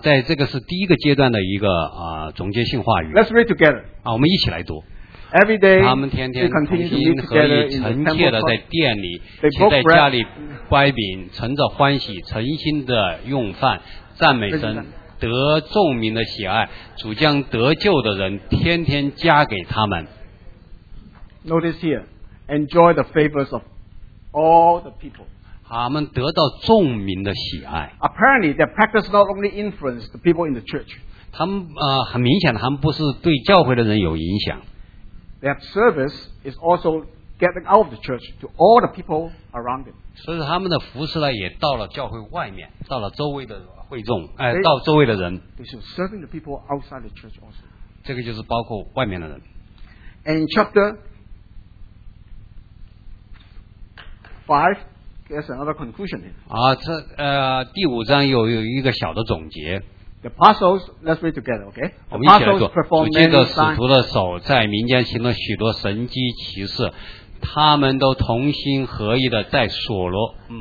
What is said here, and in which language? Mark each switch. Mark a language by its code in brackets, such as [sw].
[zh] 在这个是第一个阶段的一个总结性话语。 [en] Let's read together. [zh] 我们一起来读。 [en] Every day, [zh] 他们天天同心合意、诚切地在店里，且在家里掰饼，存着欢喜，诚心地用饭，赞美神，得众民的喜爱。主将得救的人天天加给他们。 [en] Notice here, enjoy the favors of all the people. [zh] 他们得到众民的喜爱。 [en] Apparently, their practice not only influenced the people in the church. [zh] 他们很明显的，他们不是对教会的人有影响。 [en] That service is also getting out of the church to all the people around them. [zh] 所以他们的服侍呢，也到了教会外面，到了周围的会众，到周围的人。 [en] They are serving the people outside the church also. [zh] 这个就是包括外面的人。 [en] And in chapter 5, there's another conclusion here. [zh] 第五章有一个小的总结。 [en] The apostles, let's read together, okay? [zh] 我们一起来做。主借着使徒的手在民间行了许多神迹奇事，他们都同心合意的在所罗，